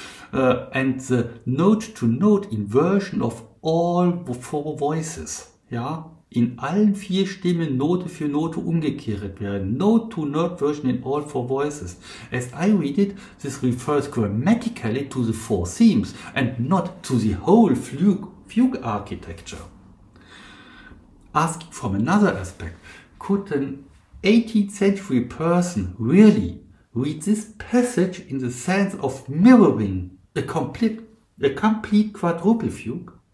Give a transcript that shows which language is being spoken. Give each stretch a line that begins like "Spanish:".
English: And the note-to-note inversion of all four voices. Ja,
German: in allen vier Stimmen Note für Note umgekehrt werden.
English: Note to note version in all four voices. As I read it, this refers grammatically to the four themes and not to the whole fugue architecture. Asking from another aspect, could an 18th century person really read this passage in the sense of mirroring a complete quadruple fugue?